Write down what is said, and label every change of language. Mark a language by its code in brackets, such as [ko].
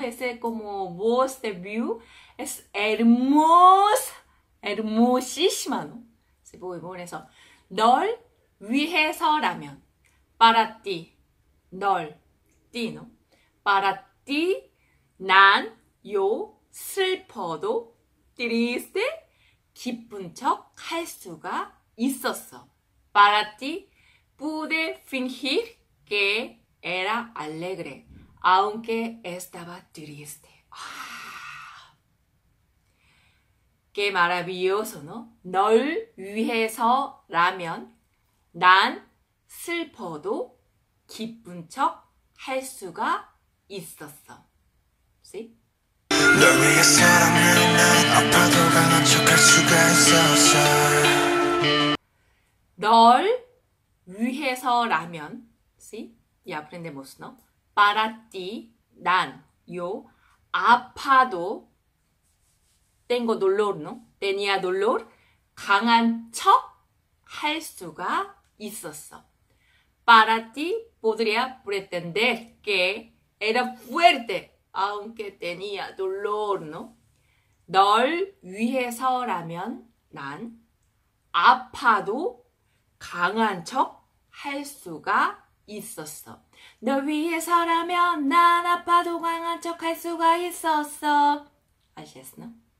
[es] Ese como voz de view es hermosa, hermosísima, ¿no? Se puede poner eso. [ko] 널 위해서라면, [es] para ti, 널, ti, ¿no? Para ti, [ko] 난, [es] yo, [ko] 슬퍼도, [es] triste, [ko] 기쁜 척 할 수가 있었어. [es] Para ti, pude fingir que era alegre, aunque estaba triste. ¡Qué maravilloso, ¿no? [ko] 널 위해서라면, 난 슬퍼도 기쁜 척 할 수가 있었어. [en] See? [ko] 널 위해서라면 난 아파도 강한 척할 수가 있었어. 널 위해서라면, see? 이 [es] aprendemos, ¿no? Para ti, 난, yo, [ko] 아파도, [es] tengo dolor, ¿no? Tenía dolor, [ko] 강한 척 할 수가 있었어. [es] Para ti, podría pretender que era fuerte, aunque tenía dolor, ¿no? [ko] 널 위해서라면 난 아파도 강한 척 할 수가 있었어. 널 위해서라면 난 아파도 강한 척 할 수가 있었어. 아시겠어?